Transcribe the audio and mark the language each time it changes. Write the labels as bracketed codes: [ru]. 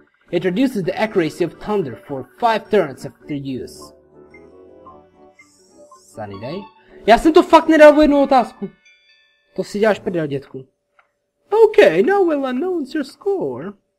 [en] It reduces the accuracy of Thunder for 5 turns after use. Sunny day? [cs] Já jsem to fakt nedal v jednu otázku. To si děláš prdel, dětku. [en] Okay, now we'll announce your score.